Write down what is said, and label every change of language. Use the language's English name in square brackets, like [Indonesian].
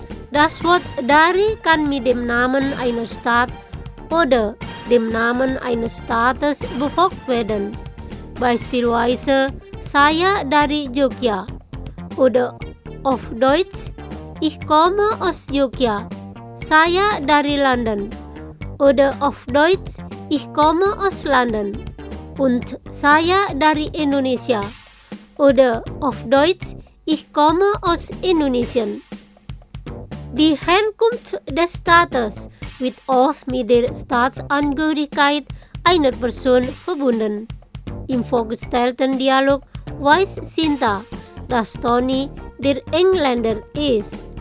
[German] Das Wort dari kann mit dem Namen einer Stadt oder dem Namen eines Staates befolgt werden. Beispielsweise, [Indonesian] saya dari Jogja [German] oder auf Deutsch, ich komme aus Jogja. [Indonesian] Saya dari London [German] oder auf Deutsch, ich komme aus London. [Indonesian] Und saya dari Indonesia. [German] Oder auf Deutsch, ich komme aus Indonesien. Die Herkunft des Staates wird oft mit der Staatsangehörigkeit einer Person verbunden. Im vorgestellten Dialog weiß Sinta, dass Toni der Engländer ist.